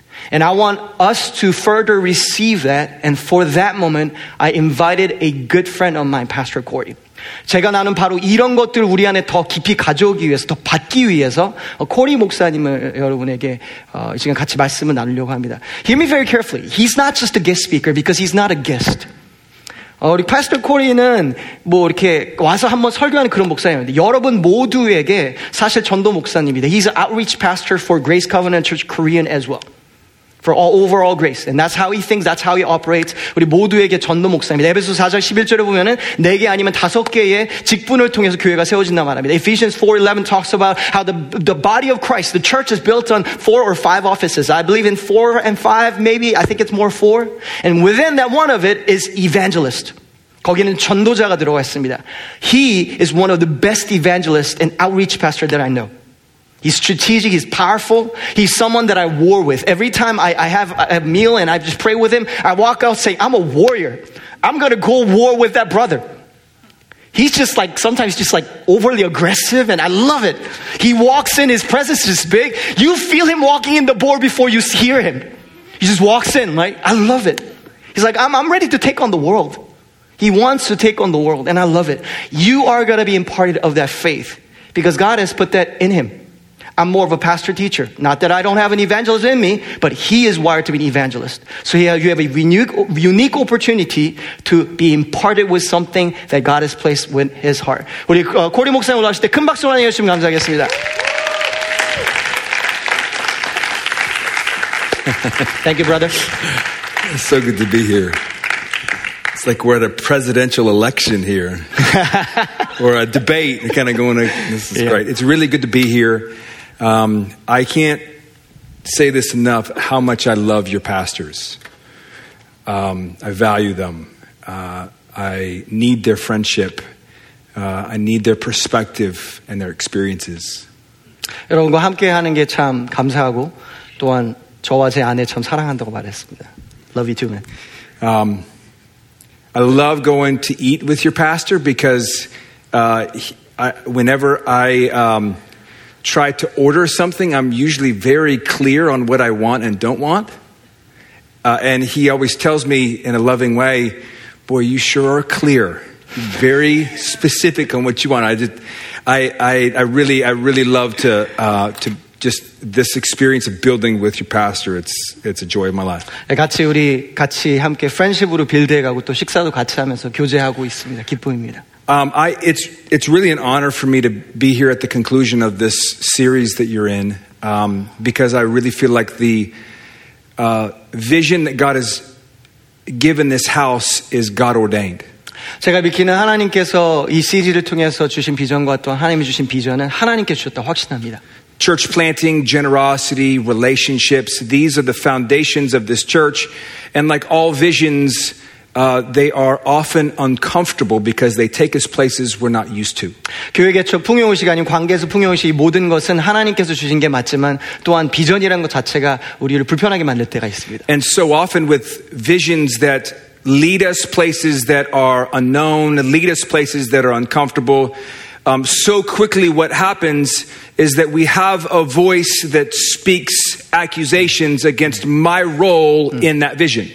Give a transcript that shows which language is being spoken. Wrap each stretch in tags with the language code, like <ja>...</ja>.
<en>And I want us to further receive that. And for that moment, I invited a good friend of mine, Pastor Corey.</en> <ko>제가 나는 바로 이런 것들을 우리 안에 더 깊이 가져오기 위해서 더 받기 위해서 코리 목사님을 여러분에게 지금 같이 말씀을 나누려고 합니다.</ko> <en>Hear me very carefully. He's not just a guest speaker because he's not a guest.</en> <ko>우리 파스터 코리는 뭐 이렇게 와서 한번 설교하는 그런 목사님인데 여러분 모두에게 사실 전도 목사님입니다.</ko> <en>He's an outreach pastor for Grace Covenant Church Korean as well. For all overall grace. And that's how he thinks, that's how he operates.</en> <ko>우리 모두에게 전도 목사입니다. 에베소 4장 11절에 보면은 네 개 아니면 다섯 개의 직분을 통해서 교회가 세워진다 말합니다.</ko> <en>Ephesians 4:11 talks about how the body of Christ, the church is built on four or five offices. I believe in four and five, maybe. I think it's more four. And within that one of it is evangelist.</en> <ko>거기는 전도자가 들어가 있습니다.</ko> <en>He is one of the best evangelists and outreach pastor that I know. He's strategic, he's powerful, he's someone that I war with. Every time I have a meal and I just pray with him, I walk out saying, I'm a warrior. I'm going to go war with that brother. He's just like, sometimes just like overly aggressive and I love it. He walks in, his presence is big. You feel him walking in the door before you hear him. He just walks in, right? I love it. He's like, I'm ready to take on the world. He wants to take on the world and I love it. You are going to be imparted of that faith. Because God has put that in him. I'm more of a pastor teacher. Not that I don't have an evangelist in me, but he is wired to be an evangelist. So you have a unique opportunity to be imparted with something that God has placed in his heart.</en> <ko>우리 코리 목사님 올라오실 때 큰 박수로 환영해 주시면 감사하겠습니다.</ko> <en>Thank you, brother. It's so good to be here. It's like we're at a presidential election here. Or a debate. Kind of going to, this is great. It's really good to be here. I can't say this enough, how much I love your pastors. I value them. I need their friendship. I need their perspective and their experiences.</en> <ko>여러분과 함께하는 게 참 감사하고 또한 저와 제 아내 참 사랑한다고 말했습니다.</ko> <en>Love you too, man. I love going to eat with your pastor because whenever I try to order something, I'm usually very clear on what I want and don't want. And he always tells me in a loving way, boy, you sure are clear. Very specific on what you want. I really love to just this experience of building with your pastor. It's a joy of my life.</en> <ko>네, 같이 우리 같이 함께 프렌쉽으로 빌드해가고 또 식사도 같이 하면서 교제하고 있습니다. 기쁨입니다.</ko> <en>It's really an honor for me to be here at the conclusion of this series that you're in, because I really feel like the vision that God has given this house is God ordained.</en> <ko>제가 믿기는 하나님께서 이 시리즈를 통해서 주신 비전과 또 하나님이 주신 비전은 하나님께 주셨다고 확신합니다.</ko> <en>Church planting, generosity, relationships, these are the foundations of this church. And like all visions, they are often uncomfortable because they take us places we're not used to.</en> <ko>교회 개척 풍요의 시간인 관계에서 풍요의 시 모든 것은 하나님께서 주신 게 맞지만 또한 비전이라는 것 자체가 우리를 불편하게 만들 때가 있습니다.</ko> <en>And so often with visions that lead us places that are unknown, lead us places that are uncomfortable, so quickly what happens is that we have a voice that speaks accusations against my role in that vision.</en>